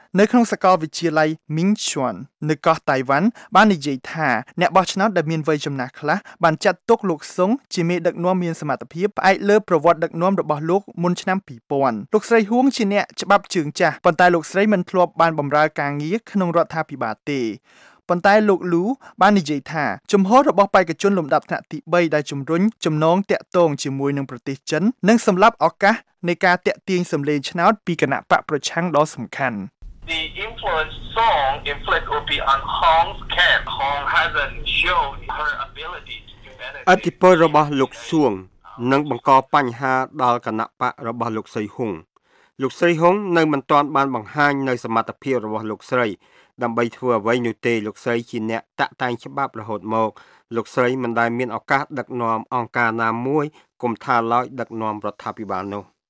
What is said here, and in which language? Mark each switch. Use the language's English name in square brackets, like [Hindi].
[Khmer] នៅក្នុងសាកលវិទ្យាល័យ Ming Chuan នៅកោះតៃវ៉ាន់បាននិយាយថាអ្នកបោះឆ្នោតដែលមានវ័យចំណាស់ខ្លះបានចាត់ទុកលោកសុងជាមេដឹកនាំមានសមត្ថភាពផ្អែកលើប្រវត្តិដឹកនាំរបស់លោកមុនឆ្នាំ2000លោកស្រីហួងជាអ្នកច្បាប់ជើងចាស់ប៉ុន្តែលោកស្រីមិនធ្លាប់បានបម្រើការងារក្នុងរដ្ឋាភិបាលទេប៉ុន្តែលោកលូបាននិយាយថាជំហររបស់បេក្ខជនលំដាប់ថ្នាក់ទី3ដែលជំរុញចំណងតាក់ទងជាមួយនឹងប្រទេសចិននិងសម្លាប់ឱកាសនៃការតាក់ទាញសម្លេងឆ្នោតពីគណៈបកប្រឆាំងដ៏សំខាន់ [English] The influence Song inflict will be on Hong's camp. Hong hasn't shown her ability to benefit. [Khmer] ឥទ្ធិពលរបស់លោកសួងនឹងបង្កបញ្ហាដល់គណៈបករបស់លោកស្រីហុងលោកស្រីហុងនៅមិនទាន់បានបង្ហាញនូវសមត្ថភាពរបស់លោកស្រីដើម្បីធ្វើអ្វីនោះទេលោកស្រីជាអ្នកតាក់តែងច្បាប់រហូតមកលោកស្រីមិនដែលមានឱកាសដឹកនាំអង្គការណាមួយគំថាឡើយដឹកនាំរដ្ឋាភិបាលនោះ